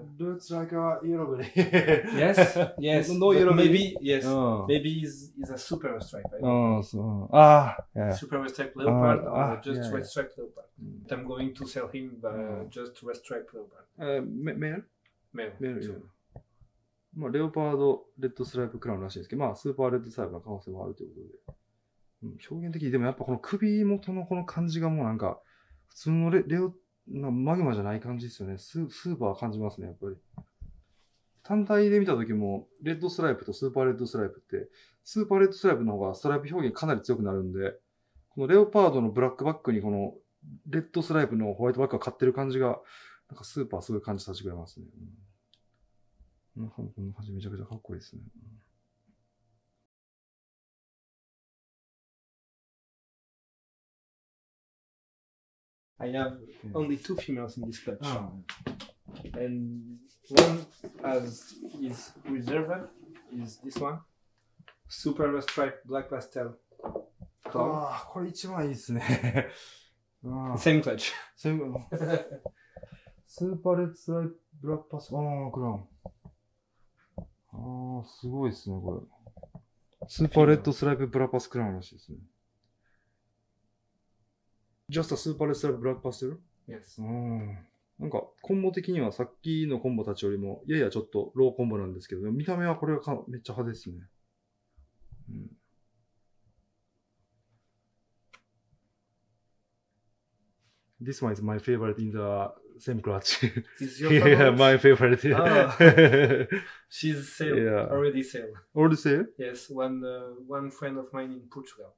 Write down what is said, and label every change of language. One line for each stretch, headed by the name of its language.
English: looks like a yellow belly. Yes, yes. No yellow belly. Maybe yes. Oh. Maybe is a super stripe. Right? Oh, so ah, yeah. Super stripe leopard or just red stripe leopard. I'm going to sell him just red stripe leopard. Male.
Japanese: まあ、レオパード、レッドストライプクラウンらしいですけど、まあ、スーパーレッドサイバーの可能性もあるということで。うん、表現的に、でもやっぱこの首元のこの感じがもうなんか、普通のレオ、なマグマじゃない感じですよね。スーパー感じますね、やっぱり。単体で見た時も、レッドストライプとスーパーレッドストライプって、スーパーレッドストライプの方がストライプ表現かなり強くなるんで、このレオパードのブラックバックにこの、レッドストライプのホワイトバックが勝ってる感じが、なんかスーパーすごい感じさせてくれますね。うん、この感じめちゃくちゃかっこいいですね。
English: I have only two females in this clutch. And one as is reserve is this one. Super stripe black pastel.
Japanese: ああ、これ一番いいですね。
English: Same clutch.
Japanese: スーパーレッドストライプブラックパス。ああ、クラウン。ああ、すごいですね、これ。スーパーレッドストライプブラックパスクラウンらしいですね。
English: Just a super red stripe black pastel? Yes.
Japanese: なんか、コンボ的にはさっきのコンボたちよりも、ややちょっとローコンボなんですけど、見た目はこれがめっちゃ派手ですね。
English: うん、This one is my favorite in theSame clutch. Yeah, my favorite. Ah, she's sale. Yeah. Already sale. Already sale? Yes. One friend of mine in Portugal.